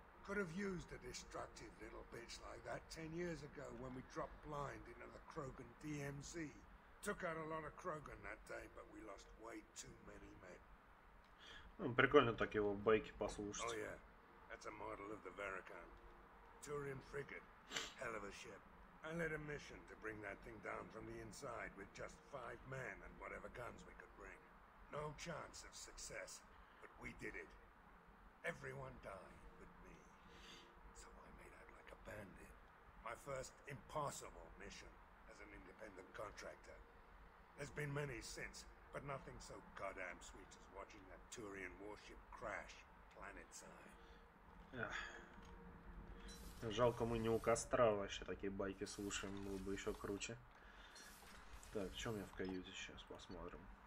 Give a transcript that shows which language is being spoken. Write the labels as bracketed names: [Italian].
[English] Could have used a destructive little bitch like that 10 years ago when we dropped blind into the Krogan DMZ. Took out a lot of Krogan that day, but we lost way too many men. [Russian] Ну, прикольно так его байки послушать. [English] Oh yeah, that's a model of the Varrican. Turian frigate, hell of a ship. I led a mission to bring that thing down from the inside with just 5 men and whatever guns we could bring. No chance of success, but we did it. Everyone died but me. So I made out like a bandit. My first impossible mission. independent contractor. There's been many since, but nothing so goddamn sweet as watching that Turian warship crash planetside. [Russian] Жалко, мы не у костра вообще такие байки слушаем, было бы еще круче. Так, что у меня в каюте сейчас, посмотрим.